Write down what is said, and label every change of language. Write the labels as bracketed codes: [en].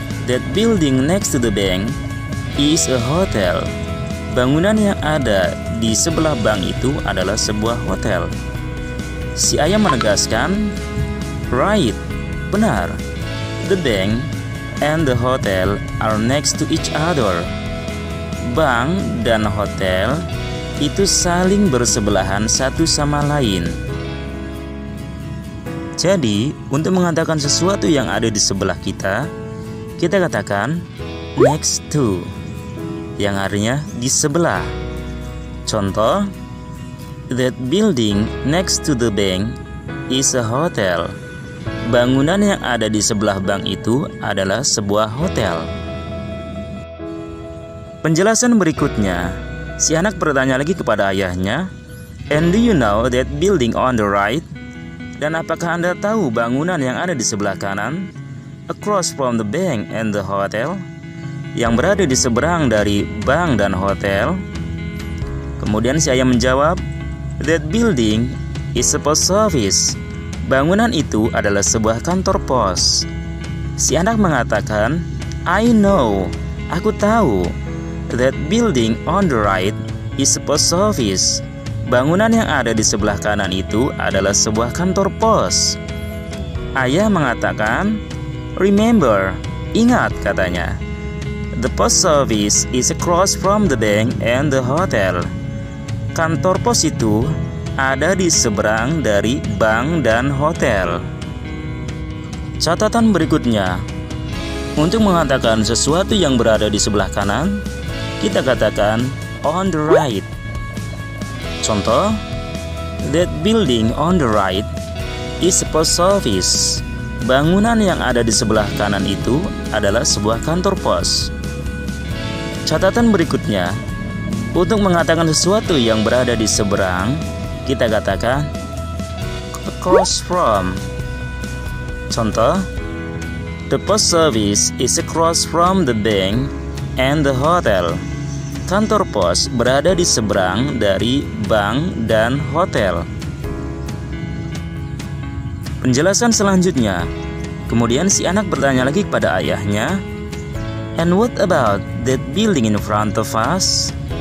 [en] That building next to the bank is a hotel. [id] Bangunan yang ada di sebelah bank itu adalah sebuah hotel. Si ayam menegaskan, [en] right, [id] benar. The bank and the hotel are next to each other. Bank dan hotel itu saling bersebelahan satu sama lain. Jadi, untuk mengatakan sesuatu yang ada di sebelah kita, kita katakan next to, yang artinya di sebelah. [en] Contoh, that building next to the bank is a hotel. [id] Bangunan yang ada di sebelah bank itu adalah sebuah hotel. Penjelasan berikutnya, si anak bertanya lagi kepada ayahnya, [en] and do you know that building on the right? [id] Dan apakah Anda tahu bangunan yang ada di sebelah kanan? [en] Across from the bank and the hotel, [id] yang berada di seberang dari bank dan hotel. Kemudian si ayah menjawab, [en] that building is a post office. [id] Bangunan itu adalah sebuah kantor pos. Si anak mengatakan, [en] I know, [id] aku tahu. [en] That building on the right is a post office. [id] Bangunan yang ada di sebelah kanan itu adalah sebuah kantor pos. Ayah mengatakan, [en] remember, [id] ingat katanya. [en] The post office is across from the bank and the hotel. [id] Kantor pos itu ada di seberang dari bank dan hotel. Catatan berikutnya, untuk mengatakan sesuatu yang berada di sebelah kanan, kita katakan on the right. [en] Contoh, that building on the right is a post office. [id] Bangunan yang ada di sebelah kanan itu adalah sebuah kantor pos. Catatan berikutnya, untuk mengatakan sesuatu yang berada di seberang, kita katakan across from. [en] Contoh, the post service is across from the bank and the hotel. [id] Kantor pos berada di seberang dari bank dan hotel. Penjelasan selanjutnya. Kemudian si anak bertanya lagi kepada ayahnya, [en] and what about that building in front of us?